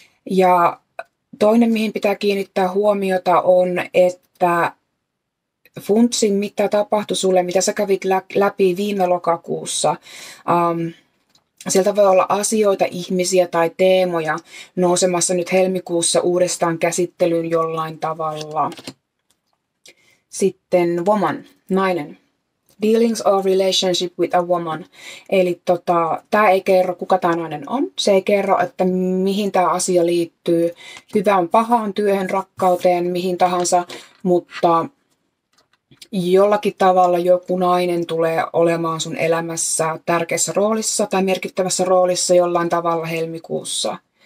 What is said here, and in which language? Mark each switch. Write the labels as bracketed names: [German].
[Finnish] Ja toinen, mihin pitää kiinnittää huomiota, on, että funtsin, mitä tapahtui sulle, mitä sä kävit läpi viime lokakuussa. Sieltä voi olla asioita, ihmisiä tai teemoja nousemassa nyt helmikuussa uudestaan käsittelyyn jollain tavalla. Sitten woman, nainen. [English] Dealings or relationship with a woman. [Finnish] Eli tämä ei kerro, kuka tämä nainen on. Se ei kerro, että mihin tämä asia liittyy. Hyvään, pahaan, työhön, rakkauteen, mihin tahansa. Mutta jollakin tavalla joku nainen tulee olemaan sun elämässä tärkeässä roolissa tai merkittävässä roolissa jollain tavalla helmikuussa.